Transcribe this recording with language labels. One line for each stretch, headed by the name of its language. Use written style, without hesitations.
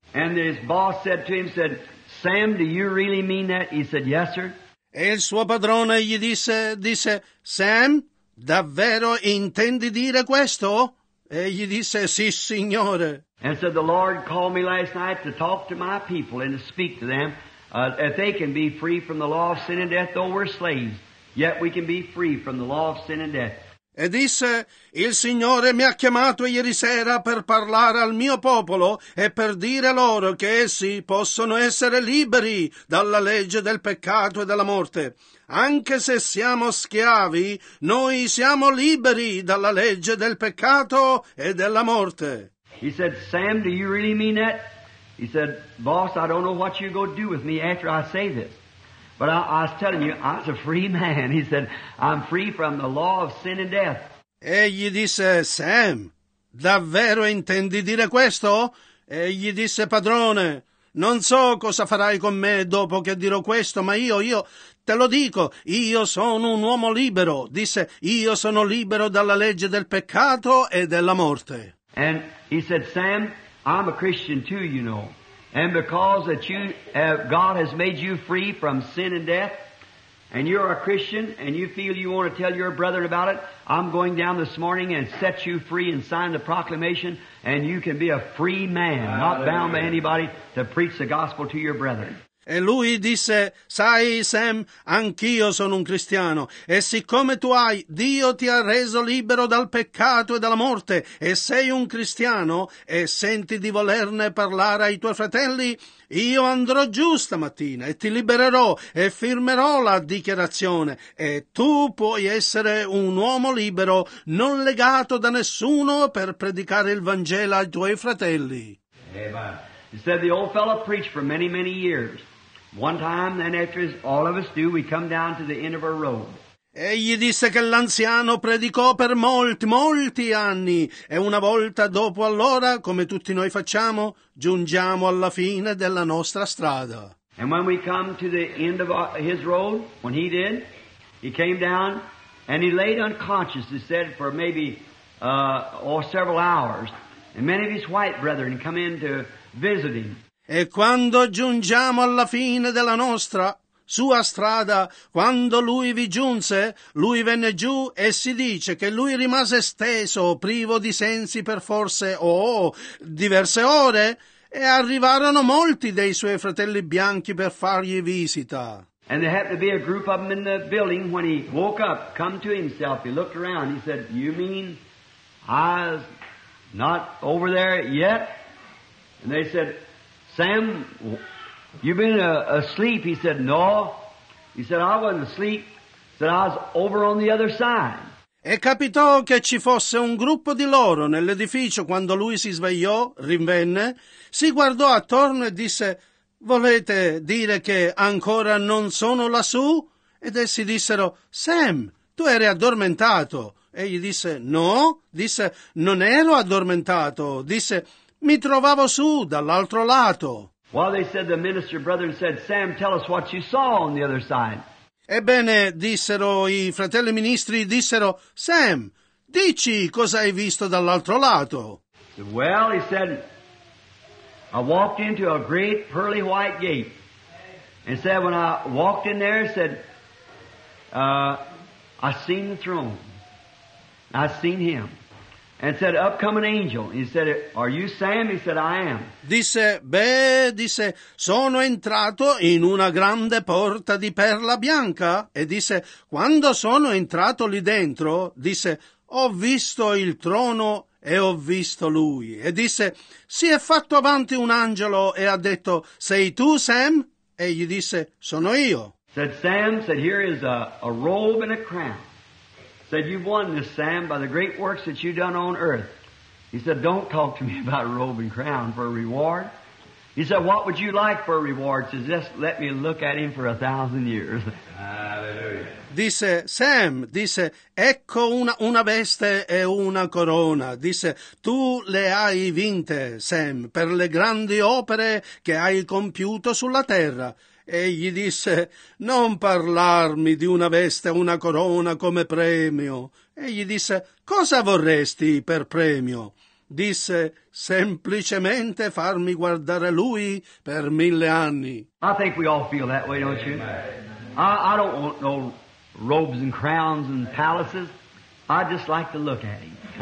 English: And his boss said to him, said, Sam, do you really mean that? He said, yes, sir.
Italian: E il suo padrone gli disse, Sam, davvero intendi dire questo? E gli disse, sì, signore.
English: And said, the Lord called me last night to talk to my people and to speak to them. If they can be free from the law of sin and death, though we're slaves, yet we can be free from the law of sin and death.
Italian: E disse, il Signore mi ha chiamato ieri sera per parlare al mio popolo e per dire loro che essi possono essere liberi dalla legge del peccato e della morte. Anche se siamo schiavi, noi siamo liberi dalla legge del peccato e della morte.
English: He said, Sam, do you really mean that? He said, boss, I don't know what you're going to do with me after I say this. But I was telling you, I'm a free man. He said, I'm free from the law of sin and death.
Italian: E gli disse, Sam, davvero intendi dire questo? E gli disse, padrone, non so cosa farai con me dopo che dirò questo, ma io te lo dico, io sono un uomo libero. Disse, io sono libero dalla legge del peccato e della morte.
English: And he said, Sam, I'm a Christian too, you know. And because that you have, God has made you free from sin and death, and you're a Christian, and you feel you want to tell your brethren about it, I'm going down this morning and set you free and sign the proclamation, and you can be a free man, not bound by anybody, to preach the gospel to your brethren.
Italian: E lui disse, sai Sam, anch'io sono un cristiano e siccome tu hai, Dio ti ha reso libero dal peccato e dalla morte e sei un cristiano e senti di volerne parlare ai tuoi fratelli, io andrò giù stamattina e ti libererò e firmerò la dichiarazione e tu puoi essere un uomo libero, non legato da nessuno per predicare il Vangelo ai tuoi fratelli.
English: He said the old fellow preached for many, many years. One time, then after all of us do, we come down to the end of our road.
Italian: Egli disse che l'anziano predicò per molti, molti anni. E una volta dopo allora, come tutti noi facciamo, giungiamo alla fine della nostra strada.
English: And when we come to the end of his road, when he did, he came down and he laid unconscious, he said, for maybe several hours. And many of his white brethren come in to visiting.
Italian: E quando giungiamo alla fine della nostra sua strada, quando lui vi giunse, lui venne giù e si dice che lui rimase steso, privo di sensi per forse diverse ore, e arrivarono molti dei suoi fratelli bianchi per fargli visita.
English: And there happened to be a group of them in the building when he woke up, come to himself, he looked around, he said, you mean I'm not over there yet? And they said, Sam, you've been asleep. He said, no. He said, I wasn't asleep. He said, I was over on the other side.
Italian: E capitò che ci fosse un gruppo di loro nell'edificio quando lui si svegliò, rinvenne, si guardò attorno e disse, volete dire che ancora non sono lassù? Ed essi dissero, Sam, tu eri addormentato. E gli disse, no. Disse, non ero addormentato. Disse, mi trovavo su dall'altro lato.
English: Well, they said the minister brethren said, Sam, tell us what you saw on the other side.
Italian: Ebbene, dissero i fratelli ministri, dissero, Sam, dici cosa hai visto dall'altro lato.
English: Well, he said, I walked into a great pearly white gate. And said, when I walked in there, he said, I seen the throne. I seen him. And said, up come an angel. He said, are you Sam? He said, I am.
Italian: Disse, beh, disse, sono entrato in una grande porta di perla bianca. E disse, quando sono entrato lì dentro, disse, ho visto il trono e ho visto lui. E disse, si è fatto avanti un angelo e ha detto, sei tu Sam? E gli disse, sono io.
English: Said, Sam, said, here is a robe and a crown. Said, you've won this, Sam, by the great works that you've done on earth. He said, don't talk to me about robe and crown for a reward. He said, what would you like for a reward? Says, just let me look at him for 1,000 years. Hallelujah.
Italian: Disse, Sam, disse, ecco una veste e una corona. Disse, tu le hai vinte, Sam, per le grandi opere che hai compiuto sulla terra. E gli disse, non parlarmi di una veste o una corona come premio. E gli disse, cosa vorresti per premio? Disse, semplicemente farmi guardare lui per 1,000 anni.
English: I think we all feel that way, don't you? I don't want no robes and crowns and palaces. I just like to look at him.